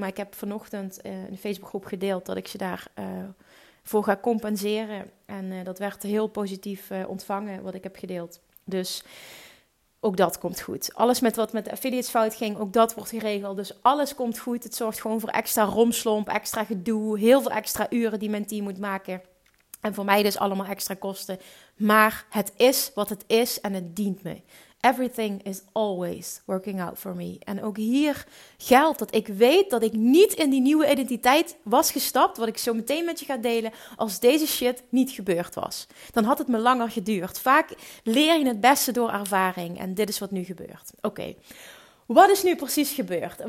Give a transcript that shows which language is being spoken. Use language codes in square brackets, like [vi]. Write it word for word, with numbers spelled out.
[nl] Maar ik heb vanochtend uh, in de Facebookgroep gedeeld dat ik ze daar uh, voor ga compenseren. En uh, dat werd heel positief uh, ontvangen wat ik heb gedeeld. Dus Ook dat komt goed. Alles met wat met de affiliates fout ging, ook dat wordt geregeld. Dus alles komt goed. Het zorgt gewoon voor extra romslomp, extra gedoe, heel veel extra uren die mijn team moet maken. En voor mij dus allemaal extra kosten. Maar het is wat het is en het dient me. [en] Everything is always working out for me. [nl] En ook hier geldt dat ik weet dat ik niet in die nieuwe identiteit was gestapt, wat ik zo meteen met je ga delen, als deze shit niet gebeurd was. Dan had het me langer geduurd. Vaak leer je het beste door ervaring. En dit is wat nu gebeurt. Oké, okay. Wat is nu precies gebeurd?